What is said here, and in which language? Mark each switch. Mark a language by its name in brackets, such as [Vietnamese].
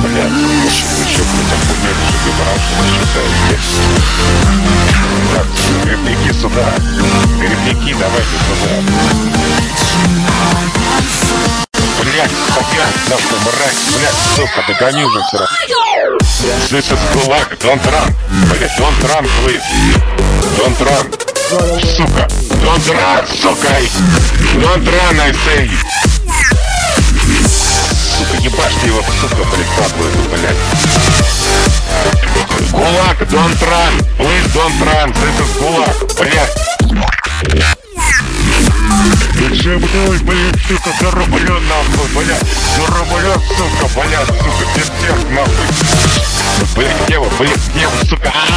[Russian] Блядь, ну что, Так, грибники сюда. Грибники, давайте сюда. Блядь, опять нас убрать, блядь, сука, догони же вчера. [English] This is Gulag, don't run. [Russian] Блядь, [English] don't run, please. Don't run. [Russian] Сука, [English] don't run, [Russian] сука, [English] don't run, I say. [Russian] Сука, ебашь ты его, сука, блядь, блядь. [English] Gulag, don't run, please don't run, [Russian] это [English] Gulag, [Russian] блядь. Бежи мной, блядь, сука, зарублю нахуй, блядь. Зарублю, сука, блядь, сука, пиздец, нахуй. Блядь, где вы, сука.